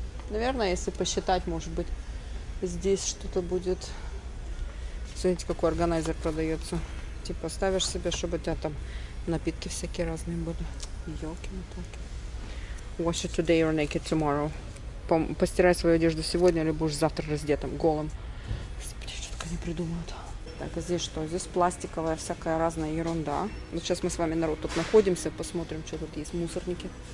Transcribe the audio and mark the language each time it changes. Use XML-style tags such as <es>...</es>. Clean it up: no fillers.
<ru>Наверное, если посчитать, может быть, здесь что-то будет. Смотрите, какой органайзер продается. Типа ставишь себе, чтобы у тебя там напитки всякие разные были. Ёлки-моталки.</ru> <en>Wash it today or naked tomorrow.</en> <ru>Постирай свою одежду сегодня, или будешь завтра раздетым, голым. Господи, что только они придумают. Так, а здесь что? Здесь пластиковая всякая разная ерунда. Вот сейчас мы с вами, народ, тут находимся, посмотрим, что тут есть. Мусорники.</ru>